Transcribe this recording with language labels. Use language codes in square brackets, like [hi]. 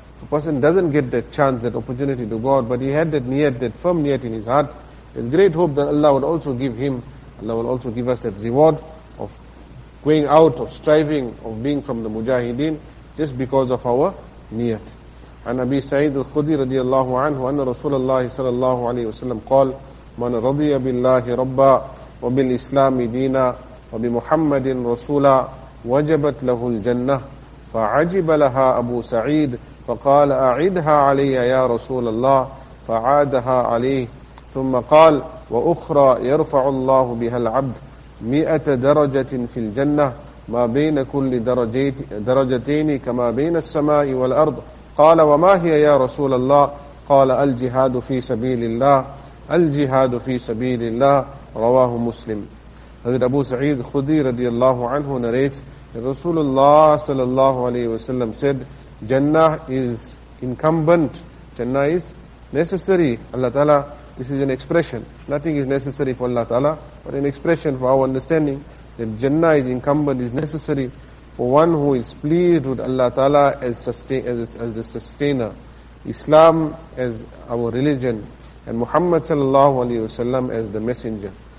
[en] The person doesn't get that chance, that opportunity to go out, but he had that niyat, that firm niyat in his heart. There's great hope that Allah would also give him, Allah will also give us that reward of going out, of striving, of being from the Mujahideen, just because of our niyat. [ar] عن أبي سعيد الخدري رضي الله عنه أن رسول الله صلى الله عليه وسلم قال من رضي بالله ربا وبالإسلام دينا وبمحمد رسولا وجبت له الجنة فعجب لها أبو سعيد فقال أعدها علي يا رسول الله فعادها عليه ثم قال وأخرى يرفع الله بها العبد 100 درجة في الجنة ما بين كل درجتين كما بين السماء والأرض قال وما هي يا رسول الله قال الجهاد في سبيل الله الجهاد في سبيل الله رواه مسلم. [en] حضرت ابو سعيد خدري رضي الله عنه narrates رسول الله صلى الله عليه وسلم said Jannah is incumbent, Jannah is necessary. Allah Ta'ala, this is an expression, nothing is necessary for Allah Ta'ala, but an expression for our understanding that Jannah is incumbent, is necessary for one who is pleased with Allah Ta'ala as the sustainer, Islam as our religion, and Muhammad sallallahu alayhi wasallam as the messenger.